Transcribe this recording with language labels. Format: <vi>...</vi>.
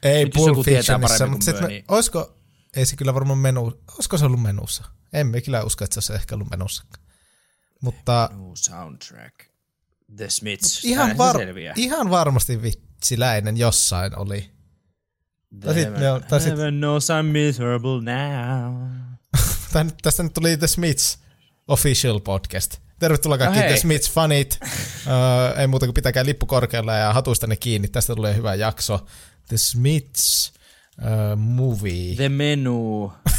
<fi>Ei Pulp Fictionissa, mutta sitten olisiko, ei se kyllä varmaan menu, olisiko se ollut Menussa? En me kyllä usko, että se olisi ehkä ollut Menussa. Mutta Menu soundtrack, The Smiths, ihan varmasti vitsiläinen jossain oli.</fi> <en>Heaven knows I'm miserable now.</en> <fi>tästä nyt tuli The Smiths official podcast. Tervetuloa kaikki The Smiths fanit. Ei muuta kuin pitäkää lippu korkealla ja hatuista ne kiinni. Tästä tulee hyvä jakso. The Smiths movie. The Menu.</fi>